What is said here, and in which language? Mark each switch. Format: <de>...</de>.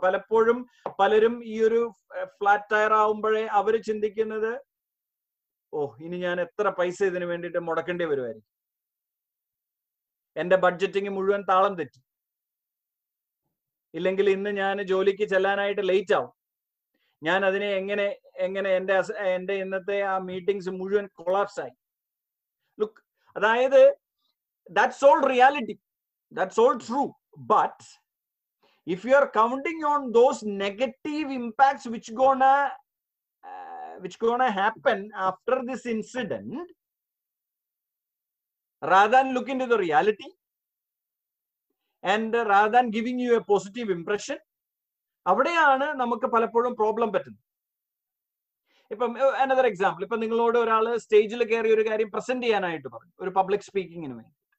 <ml>പലപ്പോഴും പലരും ഈ ഒരു ഫ്ലാറ്റ് ടയർ ആവുമ്പോഴേ അവർ ചിന്തിക്കുന്നത്, ഓ, ഇനി ഞാൻ എത്ര പൈസ ഇതിന് വേണ്ടിയിട്ട് മുടക്കേണ്ടി വരുമായിരിക്കും, എന്റെ ബഡ്ജറ്റിങ് മുഴുവൻ താളം തെറ്റി, ഇല്ലെങ്കിൽ ഇന്ന് ഞാൻ ജോലിക്ക് ചെല്ലാനായിട്ട് ലേറ്റ് ആവും, ഞാൻ അതിനെ എങ്ങനെ എന്റെ ഇന്നത്തെ ആ മീറ്റിംഗ്സ് മുഴുവൻ കൊളാപ്സ് ആയി.</ml> <en>Look, അതായത് that's all reality, that's all true. But if you are counting on those negative impacts which gonna which gonna happen after this incident, rather than look into the reality and rather than giving you a positive impression,</en> <ml>avadeyana namukku palappolum problem pattunu. ഇപ്പം another example, ഇപ്പൊ നിങ്ങളോട് ഒരാൾ സ്റ്റേജിൽ കയറി ഒരു കാര്യം present ചെയ്യാനായിട്ട് പറഞ്ഞു ഒരു പബ്ലിക് സ്പീക്കിങ്ങിന് വേണ്ടി.</ml>